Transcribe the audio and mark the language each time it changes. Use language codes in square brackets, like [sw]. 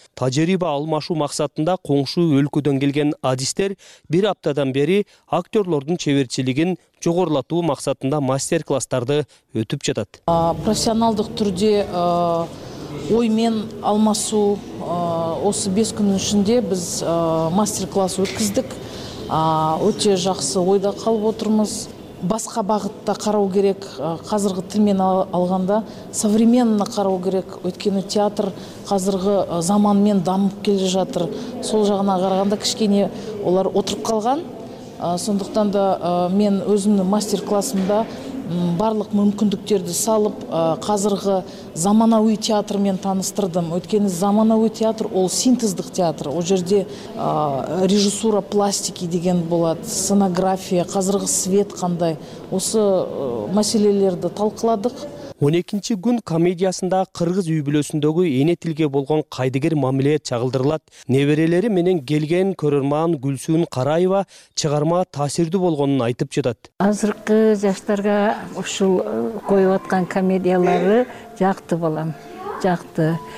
[ky] Тажрыйба алмашуу максатында коңшу өлкөдөн келген адистер бир аптадан бери актерлордун чеберчилигин жогорулатуу максатында мастер-класстарды өтүп жатат. [kk] Профессионалдык түрдө ой мен алмашуу осы 5 күндүн ичинде биз мастер-класс өткүздүк. Өтө жакшы ойдо калып отурмуз. Басқа бағытта қарау керек, қазіргі тілмен алғанда современно қарау керек, өткені театр қазіргі заманмен дамып келе жатыр. Сол жағына қарағанда кішкене олар отырып қалған, сондықтан да мен өзімнің мастер-классымда барлық мүмкіндіктерді салып, қазіргі заманауи театрмен таныстырдым. Өткені заманауи театр ол синтездық театр. Ол жерде режиссура пластики деген болады, сценография, қазіргі свет қандай. Осы мәселелерді талқыладық. [ky] 12-чи күн комедиясында кыргыз үй бүлөсүндөгү эне тилге болгон кайдыгер мамиле чагылдырылат. Неберелери менен келген көрөрман Гүлсүн Караева чыгарма таасирдүү болгонун айтып жатат. Азыркы жаштарга ушул коюп аткан комедиялары жакты болом. Жакты.